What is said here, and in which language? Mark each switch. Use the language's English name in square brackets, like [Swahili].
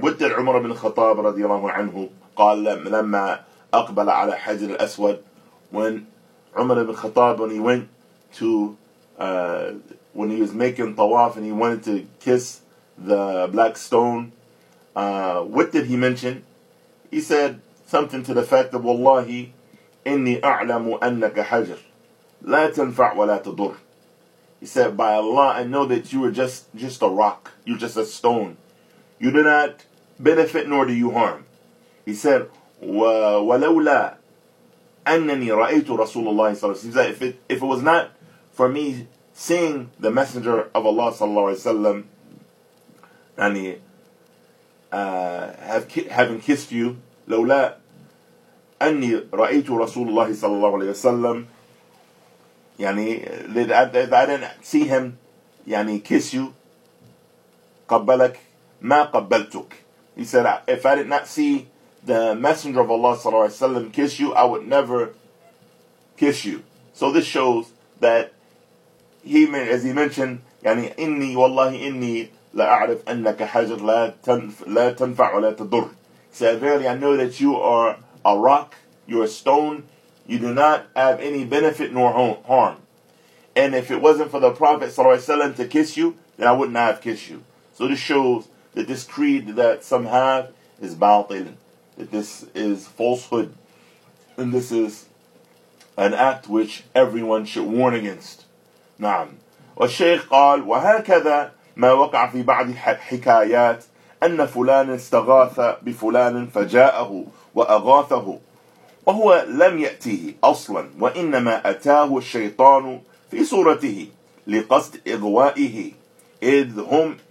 [English] What did عمر بن الخطاب رضي الله عنه [Arabic] قال لما أقبل على حجر الأسود, [English] when عمر بن الخطاب, when he went to when he was making tawaf and he wanted to kiss the black stone, what did he mention? He said something to the fact of [Arabic] والله إني أعلم أنك حجر لا تنفع ولا تضر. [English] He said, by Allah, I know that you are just a rock. You're just a stone. You do not benefit nor do you harm. He said, [Arabic] وَلَوْلَا أَنَّنِي رَأَيْتُ رَسُولَ اللَّهِ صَلَّى اللَّهِ عَلَيْهِ وَسَلَّمَ. [English] He said, if it was not for me seeing the Messenger of Allah صلى الله عليه وسلم, يعني, having kissed you, [Arabic] لَوْلَا أَنِّي رَأَيْتُ رَسُولَ اللَّهِ صَلَّى اللَّهِ عَلَيْهِ وَسَلَّمَ, [English] يعني, if I didn't see him, يعني, kiss you, [Arabic] قَبَّلَكْ مَا قَبَّلْتُكْ. [English] He said, if I did not see the Messenger of Allah sallallahu alaihi wasallam kiss you, I would never kiss you. So this shows that he, as he mentioned, [Arabic] يعني إني والله إني لا أعرف أنك حجر لا تنفع ولا تضر. [English] He said, verily I know that you are a rock, you're a stone, you do not have any benefit nor harm. And if it wasn't for the Prophet sallallahu alaihi wasallam to kiss you, then I would not have kissed you. So this shows that this creed that some have is batil. That this is falsehood, and this is an act which everyone should warn against. [Arabic] نعم. والشيخ قال وهكذا ما وقع في بعض الحكايات أن فلان استغاث بفلان فجاءه وأغاثه وهو لم يأته أصلا وإنما أتاه الشيطان في صورته لقصد إغوائه إذ هم